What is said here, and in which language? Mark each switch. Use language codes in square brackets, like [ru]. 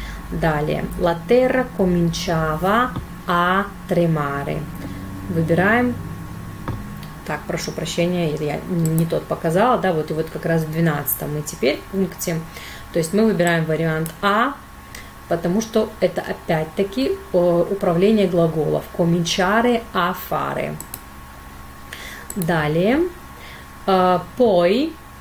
[ru] Далее. [it] La terra cominciava a tremare. [ru] Выбираем. Так, прошу прощения, я не тот показала. Да, вот и вот как раз в 12-м мы теперь пункте. То есть мы выбираем вариант A, потому что это опять-таки управление глаголов. [it] Cominciare a fare. [ru] Далее. [it] Poi.